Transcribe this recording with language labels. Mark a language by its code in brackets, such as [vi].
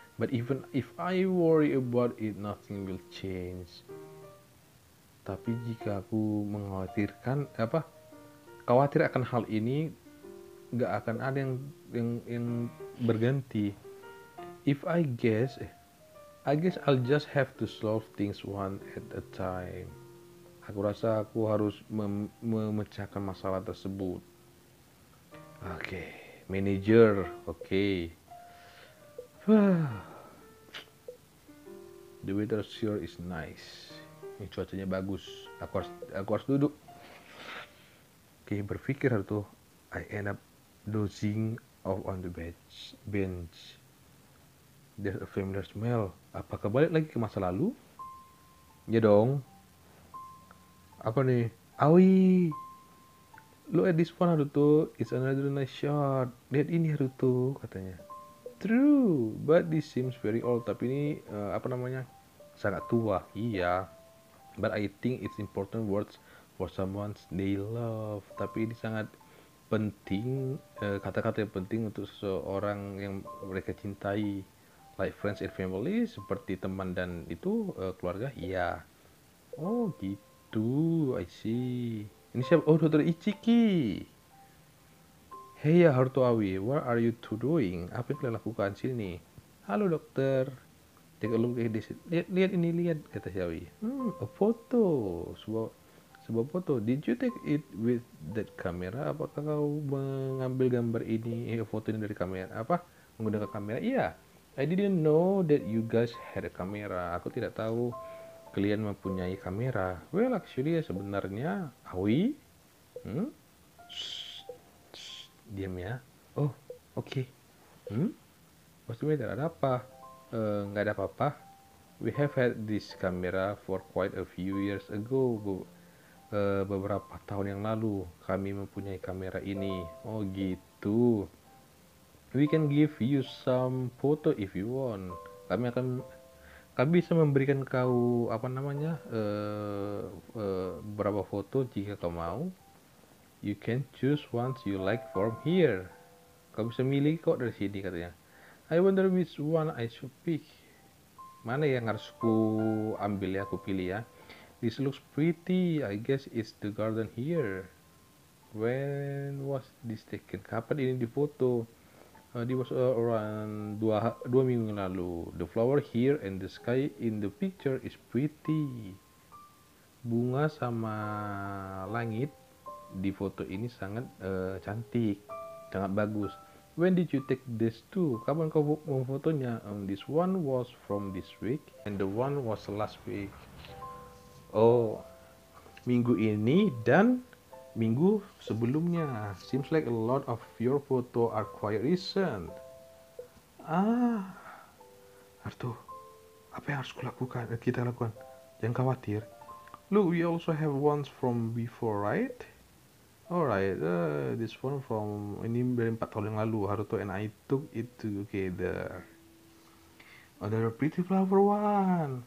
[en] But even if I worry about it, nothing will change. [id] Tapi jika aku mengkhawatirkan apa, khawatir akan hal ini, gak akan ada yang berganti. [en] If I guess, I'll just have to solve things one at a time. [id] Aku rasa aku harus memecahkan masalah tersebut. [en] Okay, manager. Okay. The weather sure is nice. [id] Ini cuacanya bagus. Aku harus duduk. Oke, okay, berpikir Haruto. [en] I end up dozing off on the bench. There's a familiar smell. [id] Apakah balik lagi ke masa lalu? Ya dong. Apa nih? Awi. [en] Look at this one Haruto. It's another nice shot. [id] Lihat ini Haruto katanya. [en] True, but this seems very old. [id] Tapi ini apa namanya, sangat tua. Iya. [en] But I think it's important words for someone they love. [id] Tapi ini sangat penting, kata-kata yang penting untuk seseorang yang mereka cintai. [en] Like friends and family, [id] seperti teman dan itu keluarga. Iya. Oh gitu, [en] I see. [id] Ini siapa? Oh, Dr. Ichiki. [en] Hey Haruto Aoi, what are you two doing? [id] Apa yang kalian lakukan sini? Halo dokter. [en] Take a look at this. [id] Lihat ini, lihat, kata si Aoi. [en] A photo. [id] Sebuah foto. [en] Did you take it with that camera? [id] Apakah kau mengambil gambar ini, foto ini dari kamera? Apa? Menggunakan kamera? Iya. [en] I didn't know that you guys had a camera. [id] Aku tidak tahu kalian mempunyai kamera. [en] Well, actually [id] ya sebenarnya, Aoi. Diam ya. Oh, oke. Okay. [en] What's the matter? [id] Ada apa? Nggak ada apa-apa. [en] We have had this camera for quite a few years ago. [id] Beberapa tahun yang lalu, kami mempunyai kamera ini. Oh, gitu. [en] We can give you some photo if you want. [id] Kami bisa memberikan kau, apa namanya, beberapa foto jika kau mau. [en] You can choose ones you like from here. [id] Kau bisa milih kok dari sini katanya. [en] I wonder which one I should pick. [id] Mana yang harus ku ambil ya, ku pilih ya. [en] This looks pretty. I guess it's the garden here. When was this taken? [id] Kapan ini difoto? [en] It was around 2 [id] minggu lalu. [en] The flower here and the sky in the picture is pretty. [id] Bunga sama langit di foto ini sangat cantik, sangat bagus. [en] When did you take this tool? [id] Kapan kau memfotonya? [en] This one was from this week and the one was last week. [id] Oh, minggu ini dan minggu sebelumnya. [en] Seems like a lot of your photo are quite recent. [id] Ah, Arto, apa yang harus kulakukan? Kita lakukan. Jangan khawatir. [en] Look, we also have ones from before, right? Alright, this one from [id] ini dari 4 tahun yang lalu. [en] Haruto and I took it together. Oh, there are pretty flower one.